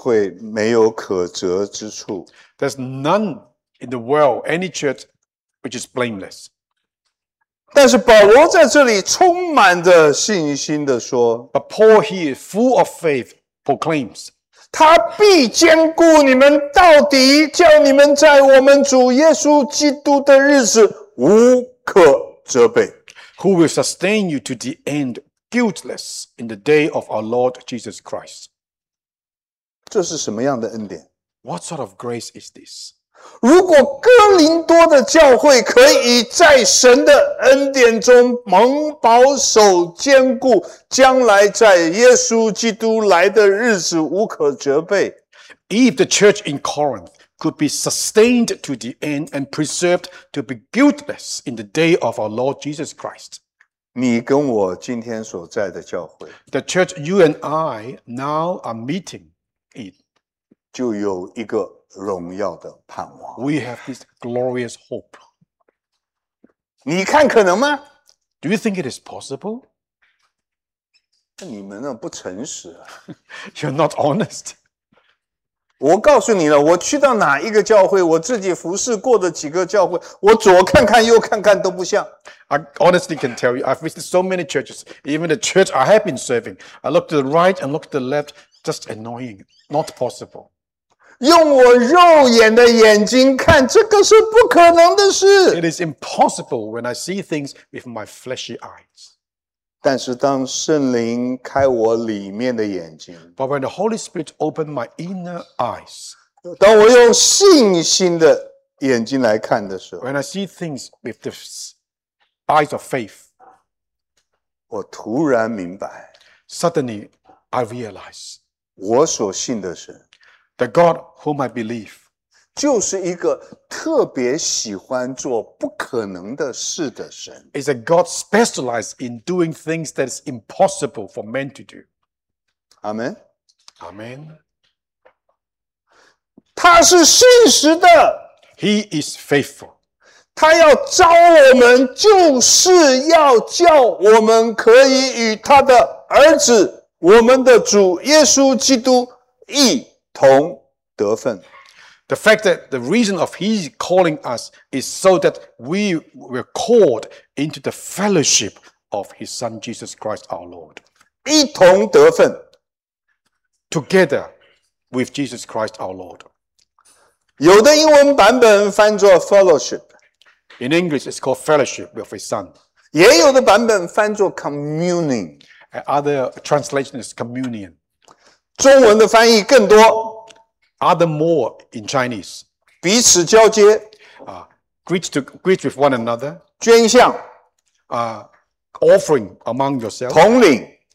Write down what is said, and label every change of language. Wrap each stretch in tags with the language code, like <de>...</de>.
<zh>地上没有一个地方的聚会没有可责之处。</zh> <en>There's none in the world, any church, which is blameless.</en> <zh>但是保罗在这里充满着信心地说,</zh> <en>But Paul here, full of faith, proclaims,</en> <zh>他必坚固你们到底，叫你们在我们主耶稣基督的日子。无可责备,</zh> <en>who will sustain you to the end guiltless in the day of our Lord Jesus Christ.</en> <zh>这是什么样的恩典?</zh> <en>What sort of grace is this?</en> <zh>如果哥林多的教会可以在神的恩典中蒙保守坚固，将来在耶稣基督来的日子无可责备。</zh> <en>If the church in Corinth could be sustained to the end and preserved to be guiltless in the day of our Lord Jesus Christ,</en> <zh>你跟我今天所在的教会</zh> <en>the church you and I now are meeting in,</en> <zh>就有一个荣耀的盼望。</zh> <en>We have this glorious hope.</en> <zh>你看可能吗？</zh> <en>Do you think it is possible?</en> <zh>你们那不诚实啊。</zh> <en>You're not honest.</en> <zh>我告诉你了，我去到哪一个教会，我自己服侍过的几个教会，我左看看右看看都不像。</zh> <en>I honestly can tell you, I've visited so many churches, even the church I have been serving. I look to the right and look to the left, just annoying, not possible.</en> <zh>用我肉眼的眼睛看，这个是不可能的事。</zh> <en>It is impossible when I see things with my fleshy eyes.</en> <zh>但是当圣灵开我里面的眼睛</zh> <en>，But when the Holy Spirit opened my inner eyes,</en> <zh>当我用信心的眼睛来看的时候</zh> <en>，When I see things with the eyes of faith,</en> <zh>我突然明白</zh> <en>，Suddenly I realize,</en> <zh>我所信的神。</zh> <en>The God whom I believe,</en> <zh>就是一个特别喜欢做不可能的事的神</zh> <en>is a God specialized in doing things that is impossible for men to do. Amen. Amen.</en> <zh>他是信实的</zh> <en>He is faithful.</en> <zh>他要招我们，就是要叫我们可以与他的儿子，我们的主耶稣基督一同得分。</zh> <en>The fact that the reason of his calling us is so that we were called into the fellowship of his son Jesus Christ our Lord.</en> <zh>一同得分。</zh> <en>Together with Jesus Christ our Lord.</en> <zh>有的英文版本翻作 fellowship.</zh> <en>In English it's called fellowship with his son.</en> <zh>也有的版本翻作 communing.</zh> <en>Other translation is communion.</en> <zh>中文的翻译更多</zh> <en>，other more in Chinese，</en> <zh>彼此交接</zh> <en>greet with one another，</en> <zh>捐献</zh> <en>offering among yourselves，</en> <zh>统领</zh>